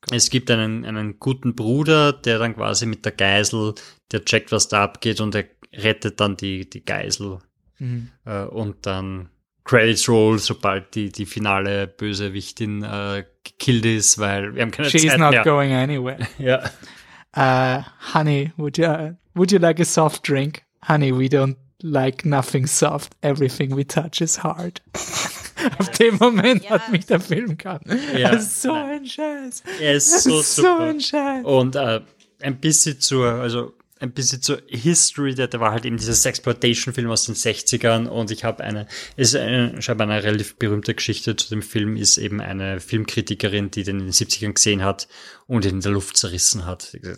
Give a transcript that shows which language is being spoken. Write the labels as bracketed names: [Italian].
[German] Es gibt einen guten Bruder, der dann quasi mit der Geisel, der checkt, was da abgeht und er rettet dann die Geisel. Mhm. Und dann Credits Roll, sobald die finale Bösewichtin gekillt ist, weil wir haben keine [English] She's [German] Zeit mehr. [English] She's not going anywhere. [German] Ja. [English] Honey, would you like a soft drink? Honey, we don't like nothing soft. Everything we touch is hard. [German] Auf dem Moment hat mich der Film gehabt. Ja. So ein Scheiß. Er ist so super. So ein Scheiß. Und ein bisschen zur History, der war halt eben dieser Sexploitation-Film aus den 60ern. Und ich habe scheinbar eine relativ berühmte Geschichte zu dem Film, ist eben eine Filmkritikerin, die den in den 70ern gesehen hat und ihn in der Luft zerrissen hat.